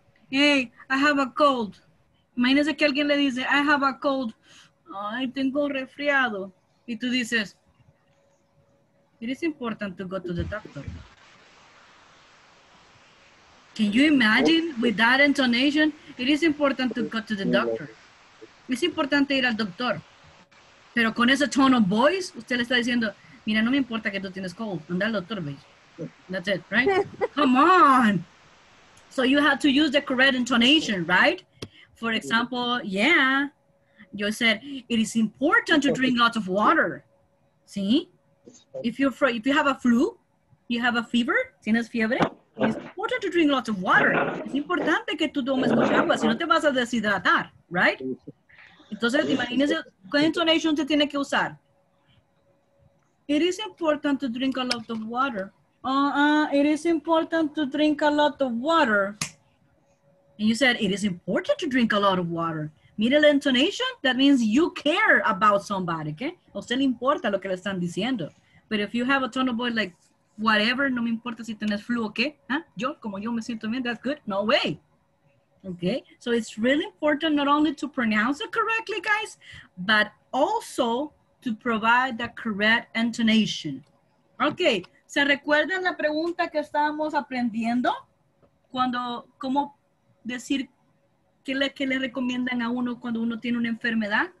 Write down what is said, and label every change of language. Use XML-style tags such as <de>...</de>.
<en>Hey, I have a cold.</en> <es>Imagínese que alguien le dice,</es> <en>I have a cold.</en> <es>Ay, tengo resfriado. Y tú dices,</es> <en>it is important to go to the doctor. Can you imagine with that intonation? It is important to go to the doctor.</en> <es>Es importante ir al doctor. Pero con ese</es> <en>tone of voice,</en> <es>usted le está diciendo, mira, no me importa que tú tienes cold. Anda al doctor,</es> <en>baby. That's it, right? Come on. So you have to use the correct intonation, right? For example, yeah, you said it is important to drink lots of water. See, if you have a flu, you have a fever,</en> <es>tienes fiebre,</es> <en>it's important to drink lots of water.</en> <es>Es importante que tú tomes mucha agua, si no te vas a deshidratar, right? Entonces, imagínese, ¿cuál intonación te tiene que usar?</es> <en>It is important to drink a lot of water. It is important to drink a lot of water. And you said, it is important to drink a lot of water. Middle intonation, that means you care about somebody, okay?</en> <es>O sea, le importa lo que le están diciendo.</es> <en>But if you have a tone of voice like, whatever,</en> <es>no me importa si tienes</es> <en>flu, okay?</en> <es>Huh? Yo, como yo me siento bien,</es> <en>that's good. No way.</en> <es>Okay?</es> <en>So it's really important not only to pronounce it correctly, guys, but also to provide the correct intonation.</en> <es>Okay. ¿Se recuerdan la pregunta que estábamos aprendiendo? Cuando, ¿cómo decir qué le recomiendan a uno cuando uno tiene una enfermedad?</es>